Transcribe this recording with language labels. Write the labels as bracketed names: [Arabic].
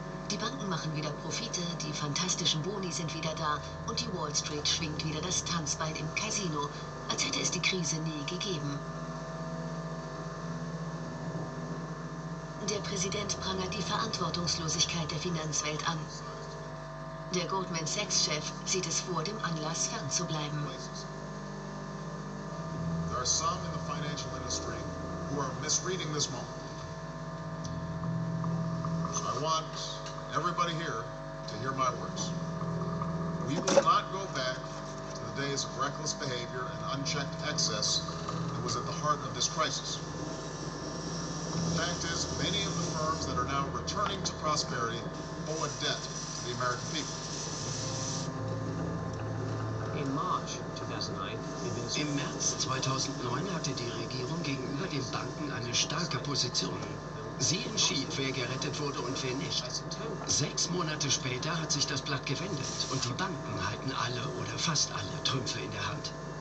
[German] Die Banken machen wieder Profite, die fantastischen Boni sind wieder da und die Wall Street schwingt wieder das Tanzbein im Casino, als hätte es die Krise nie gegeben. Der Präsident prangert die Verantwortungslosigkeit der Finanzwelt an. Der Goldman Sachs-Chef sieht es vor, dem Anlass fernzubleiben. [English] There are some in the financial industry who are misreading this moment. So I want everybody here to hear my words. We will not go back to the days of reckless behavior and unchecked excess that was at the heart of this crisis. The fact is, many of the firms that are now returning to prosperity owe a debt to the American people. In March 2009, [German] im März 2009 hatte die Regierung gegenüber den Banken eine starke Position. Sie entschied, wer gerettet wurde und wer nicht. Sechs Monate später hat sich das Blatt gewendet und die Banken halten alle oder fast alle Trümpfe in der Hand.